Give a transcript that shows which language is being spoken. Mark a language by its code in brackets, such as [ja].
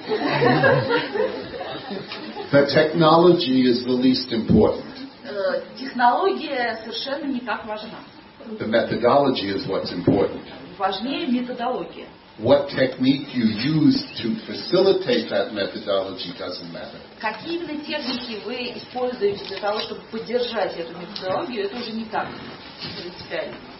[en] The technology is the least important. [ru] Технология совершенно не так важна. [en] The methodology is what's important. [ru] Важнее методология. [en] What technique you use to facilitate that methodology doesn't matter. [ru] Какие именно техники вы используете для того, чтобы поддержать эту методологию, это уже не так принципиально.